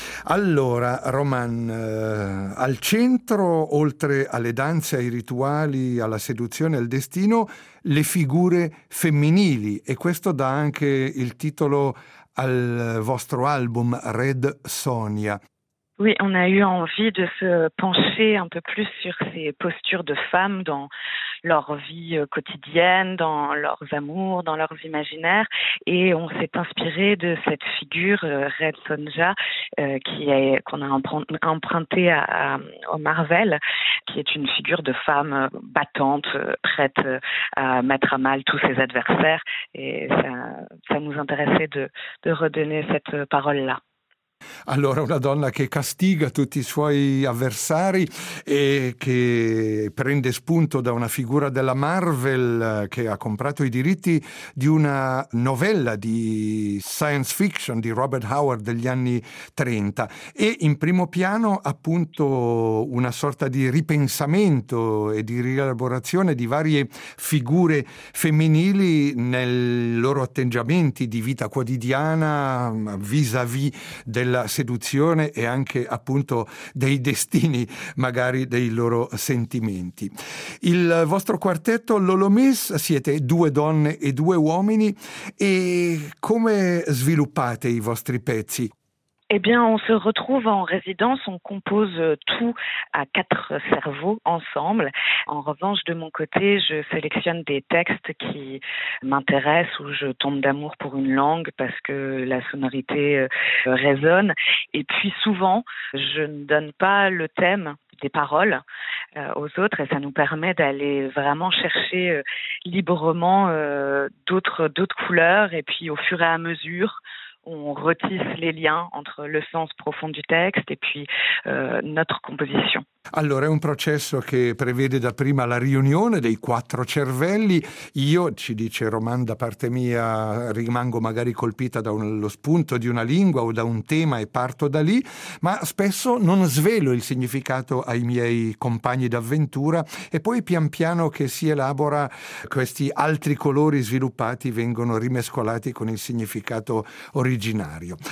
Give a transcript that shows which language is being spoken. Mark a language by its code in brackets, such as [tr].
[it] Allora, Roman, al centro, oltre alle danze, ai rituali, alla seduzione, al destino, le figure femminili, e questo dà anche il titolo al vostro album Red Sonia. [fr] Oui, on a eu envie de se pencher un peu plus sur ces postures de femmes dans leur vie quotidienne, dans leurs amours, dans leurs imaginaires, et on s'est inspiré de cette figure Red Sonja qu'on a emprunté au Marvel, qui est une figure de femme battante, prête à mettre à mal tous ses adversaires, et ça nous intéressait de redonner cette parole-là. [it] Allora, una donna che castiga tutti i suoi avversari e che prende spunto da una figura della Marvel che ha comprato i diritti di una novella di science fiction di Robert Howard degli anni 30, e in primo piano appunto una sorta di ripensamento e di rielaborazione di varie figure femminili nei loro atteggiamenti di vita quotidiana vis-à-vis della seduzione e anche appunto dei destini, magari dei loro sentimenti. Il vostro quartetto Lolomis, siete due donne e due uomini, e come sviluppate i vostri pezzi? [fr] Eh bien, on se retrouve en résidence, on compose tout à quatre cerveaux ensemble. En revanche, de mon côté, je sélectionne des textes qui m'intéressent, où je tombe d'amour pour une langue parce que la sonorité résonne. Et puis souvent, je ne donne pas le thème des paroles aux autres, et ça nous permet d'aller vraiment chercher librement d'autres couleurs, et puis au fur et à mesure, on retisse les liens entre le sens profond du texte et puis notre composition. [it] Allora, è un processo che prevede dapprima la riunione dei quattro cervelli. Io, ci dice Roman, da parte mia rimango magari colpita dallo spunto di una lingua o da un tema e parto da lì, ma spesso non svelo il significato ai miei compagni d'avventura, e poi pian piano che si elabora, questi altri colori sviluppati vengono rimescolati con il significato originario.